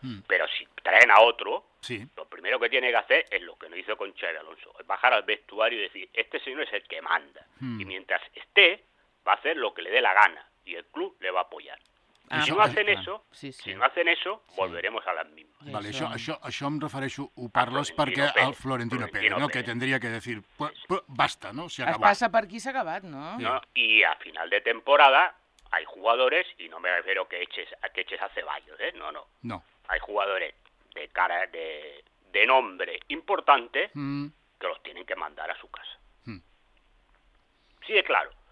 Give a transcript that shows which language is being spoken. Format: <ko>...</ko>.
<es>Pero si traen a otro, sí. Lo primero que tiene que hacer es lo que no hizo con Xavi Alonso. Es bajar al vestuario y decir, este señor es el que manda. Mm. Y mientras esté, va a hacer lo que le dé la gana. Y el club le va a apoyar. Ah, si no hacen eso, sí. Si no hacen eso, volveremos sí. A las mismas.</es> <ca>Vale, això em refereixo, ho parles perquè Pérez, el Florentino Pérez, no? Pérez. Que tindria que dir, basta, no? Es passa per aquí, s'ha acabat, no?</ca> <es>No, i a final de temporada hay jugadores, y no me refiero que eches a Ceballos, ¿eh? No. Hay jugadores de cara, de nombre importante que los tienen que mandar a su casa. Sí, es claro.</es>